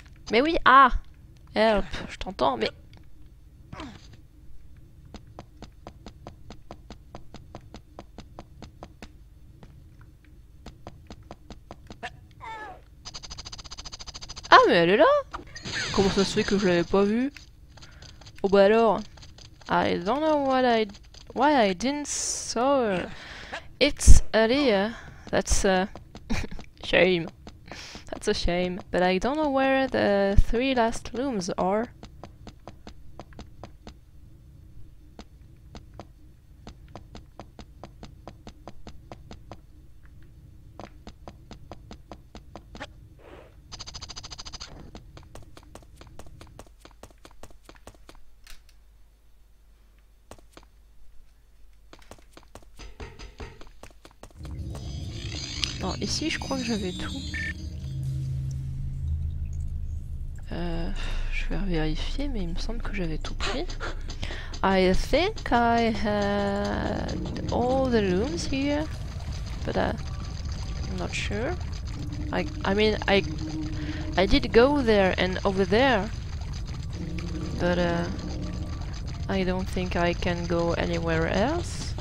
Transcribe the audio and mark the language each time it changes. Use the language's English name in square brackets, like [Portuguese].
[French] Mais oui, ah! Help, je t'entends, mais... Ah, mais elle est là! Comment ça se fait que je l'avais pas vue? Oh bah alors... [English] I don't know why I didn't saw her. It's Aaliyah. That's a shame. That's a shame. But I don't know where the three last looms are. [French] Attends, ici je crois que j'avais tout. Je vais vérifier, mais il me semble que j'avais tout pris. [English] I think I had all the rooms here, but I'm not sure. I did go there and over there, but I don't think I can go anywhere else.